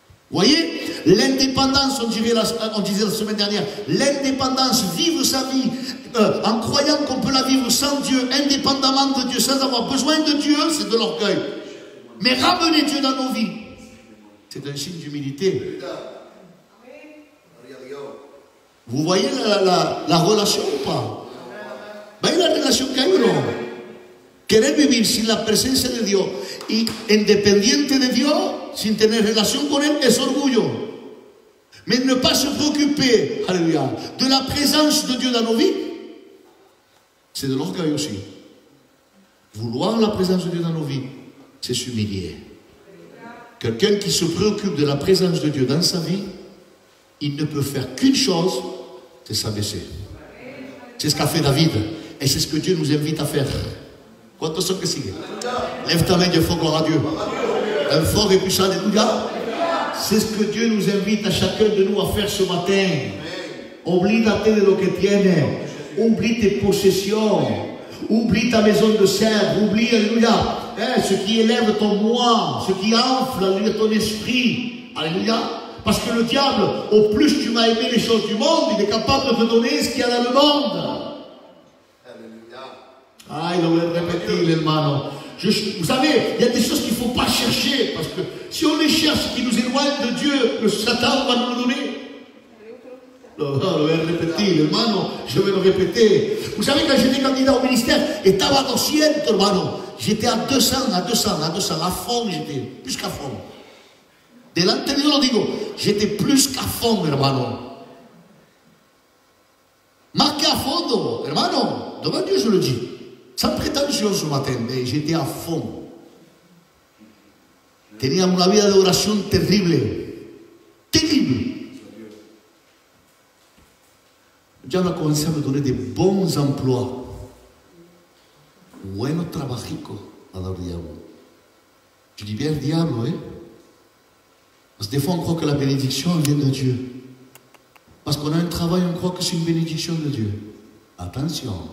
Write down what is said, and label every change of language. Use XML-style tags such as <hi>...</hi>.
<fr>Vous voyez? L'indépendance, on disait la semaine dernière, l'indépendance, vivre sa vie en croyant qu'on peut la vivre sans Dieu, indépendamment de Dieu, sans avoir besoin de Dieu, c'est de l'orgueil. Mais ramener Dieu dans nos vies, c'est un signe d'humilité. Vous voyez la relation ou pas? Voyez la relation qu'il y a eu, non?</fr> <es>Querer vivir sin la presencia de Dios y independiente de Dios, sin tener relación con Él, es orgullo.</es> <fr>Mais ne pas se préoccuper, alléluia, de la présence de Dieu dans nos vies, c'est de l'orgueil aussi. Vouloir la présence de Dieu dans nos vies, c'est s'humilier. Quelqu'un qui se préoccupe de la présence de Dieu dans sa vie, il ne peut faire qu'une chose, c'est s'abaisser. C'est ce qu'a fait David, et c'est ce que Dieu nous invite à faire.</fr> <es>Quantos son que sigue?</es> <fr>Lève ta main, Dieu, fort, gloire à Dieu. Un fort et puissant, alléluia. C'est ce que Dieu nous invite à chacun de nous à faire ce matin.</fr> <es>Oblídate de lo que tienes.</es> <fr>Oublie tes possessions. Oublie ta maison de serre. Oublie, alléluia, ce qui élève ton moi, ce qui enfle, alléluia, ton esprit. Alléluia. Parce que le diable, au plus tu vas aimer les choses du monde, il est capable de te donner ce qu'il y a dans le monde. Ah, il aurait répété, l'hermano. Vous savez, il y a des choses qu'il ne faut pas chercher. Parce que si on les cherche, qui nous éloigne de Dieu, le Satan va nous le donner. Je vais le répéter. Vous savez, quand j'étais candidat au ministère, j'étais à 200, hermano. J'étais à 200, à 200, à 200. À fond, j'étais plus qu'à fond. De l'intérieur, digo, j'étais plus qu'à fond, hermano.</fr> <es>Más que a fondo, hermano.</es> <fr>Devant Dieu, je le dis. Sans prétention ce matin, mais j'étais à fond.</fr> <es>Tenía una vida de oración terrible. Terrible.</es> <fr>Le diable a commencé à me donner de bons emplois.</fr> <es>Bueno trabajico,</es> <fr>alors le diable. Je dis bien le diable, oui. Parce que des fois, on croit que la bénédiction vient de Dieu. Parce qu'on a un travail, on croit que c'est une bénédiction de Dieu. Attention.</fr>